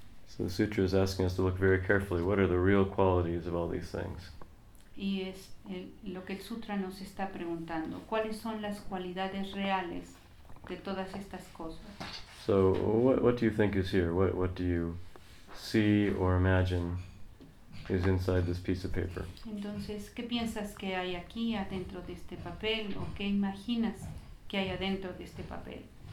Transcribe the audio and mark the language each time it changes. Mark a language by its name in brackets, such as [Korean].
[English] So the sutra is asking us to look very carefully. What are the real qualities of all these things? [Spanish] Y es lo que el sutra nos está preguntando. ¿Cuáles son las cualidades reales de todas estas cosas? [English] So what do you think is here? What do you see or imagine is inside this piece of paper? [Spanish] Entonces, ¿qué piensas que hay aquí adentro de este papel? ¿O qué imaginas que hay adentro de este papel?